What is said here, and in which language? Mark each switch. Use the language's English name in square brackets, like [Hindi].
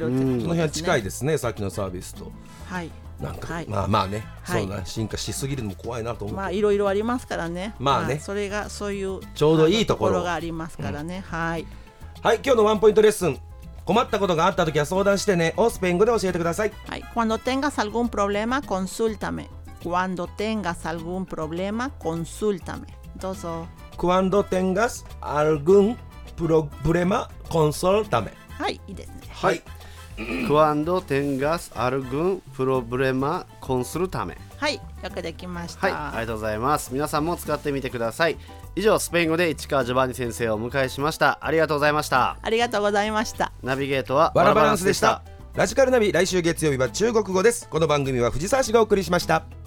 [Japanese] その辺は近いですね、さっきのサービスと。はい、なんか、はい、まあまあね、はい、そうな、進化しすぎるのも怖いなと思う。まあいろいろありますからね。まあね、まあ、それがそういうちょうどいいところがありますからね、うん、はい、はい、今日のワンポイントレッスン、困ったことがあったときは相談してねをスペイン語で教えてください。はい、 [Spanish] cuando tengas algún problema consultame. cuando tengas algún problema consultame. [Japanese] どうぞ。 [Spanish] cuando tengas algún problema consultame. [Japanese] はい、いいですね。はい、 [Spanish] Cuando tengas algún problema, consultame. [Japanese] はい、よくできました。はい、ありがとうございます。皆さんも使ってみてください。以上、スペイン語で市川ジョバンニ先生をお迎えしました。ありがとうございました。ありがとうございました。ナビゲートはワラバランスでした。ラジカルナビ、来週月曜日は中国語です。この番組は藤沢氏がお送りしました。